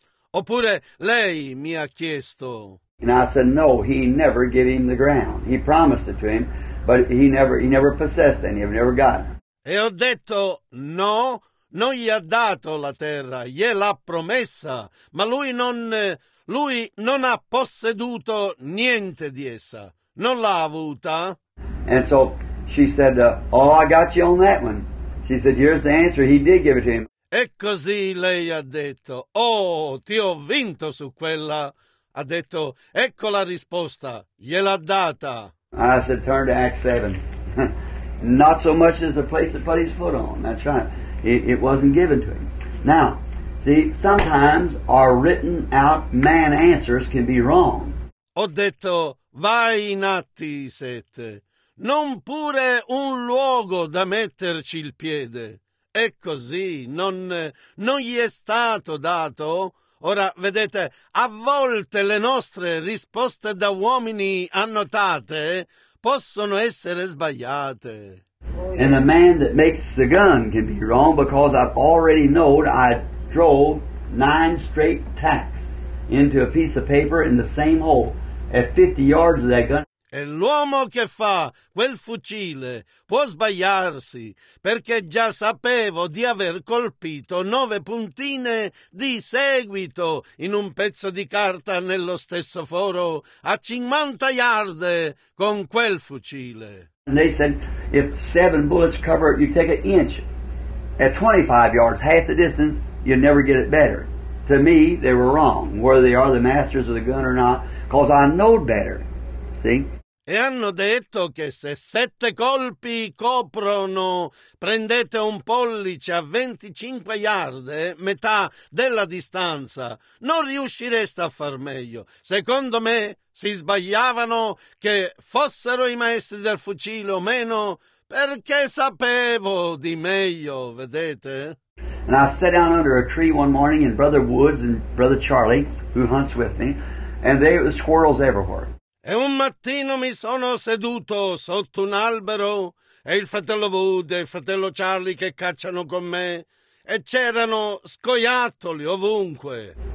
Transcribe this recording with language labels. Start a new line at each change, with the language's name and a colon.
Italian: Oppure lei mi ha chiesto?
English: And I said, no, he never gave him the ground. He promised it to him, but he never possessed any, he never got it.
Italian: E ho detto, no, non gli ha dato la terra, gliel'ha promessa, ma lui non ha posseduto niente di essa, non l'ha avuta.
English: And so she said, oh, I got you on that one. She said, here's the answer, he did give it to him.
Italian: E così lei ha detto, oh, ti ho vinto su quella. Ha detto, ecco la risposta, gliel'ha data.
English: I said, turn to Acts 7. Not so much as the place to put his foot on. That's right. It wasn't given to him. Now, see, sometimes our written out man answers can be wrong.
Italian: Ho detto, vai in Atti 7. Non pure un luogo da metterci il piede. E così non gli è stato dato. Ora, vedete, a volte le nostre risposte da uomini annotate possono essere sbagliate.
English: And a man that makes the gun can be wrong because I've already known I drove 9 straight tacks into a piece of paper in the same hole at 50 yards of that gun.
Italian: E l'uomo che fa quel fucile può sbagliarsi, perché già sapevo di aver colpito 9 puntine di seguito in un pezzo di carta nello stesso foro a 50 yard con quel fucile.
English: And they said, if 7 bullets cover it, you take an inch at 25 yards, half the distance, you never get it better. To me, they were wrong, whether they are the masters of the gun or not, because I know better. See?
Italian: E hanno detto che se 7 colpi coprono, prendete un pollice a 25 yarde, metà della distanza, non riuscireste a far meglio. Secondo me si sbagliavano che fossero i maestri del fucile o meno, perché sapevo di meglio, vedete?
English: And I sat down under a tree one morning and Brother Woods and Brother Charlie, who hunts with me, and there were squirrels everywhere.
Italian: E un mattino mi sono seduto sotto un albero e il fratello Wood e il fratello Charlie che cacciano con me e c'erano scoiattoli ovunque.